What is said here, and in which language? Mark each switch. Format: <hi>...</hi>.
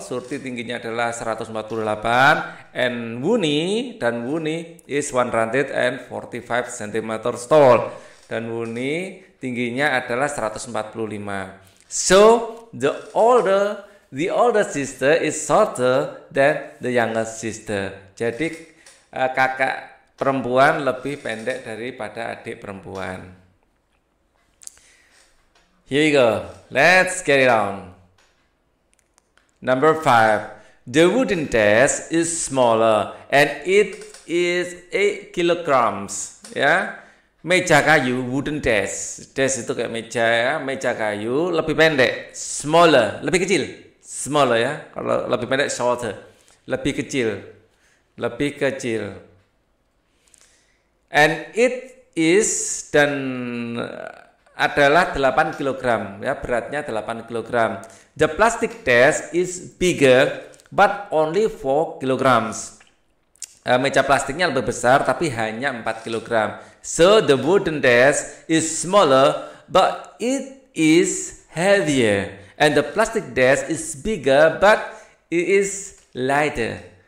<id>Surti tingginya adalah 148</id> <en>and Woonie is 145 cm tall</en> <id>dan Woonie tingginya adalah 145.</id> <en>So the older sister is shorter than the younger sister.</en> <id>Jadi kakak perempuan lebih pendek daripada adik perempuan.</id> <en>Here you go. Let's get it on. Number 5. The wooden desk is smaller and it is 8 kilograms.</en> <id>Ya. Meja kayu, wooden desk. Desk itu kayak meja ya, meja kayu lebih pendek, smaller, lebih kecil. Smaller ya. Kalau lebih pendek shorter. Lebih kecil. Lebih kecil.</id> <en>And it is</en> <id>dan adalah 8 kg ya, beratnya 8 kg.</id> <en>The plastic desk is bigger but only 4 kg.</en> <id>Meja plastiknya lebih besar tapi hanya 4 kg.</id> <en>So the wooden desk is smaller but it is heavier and the plastic desk is bigger but it is lighter.</en>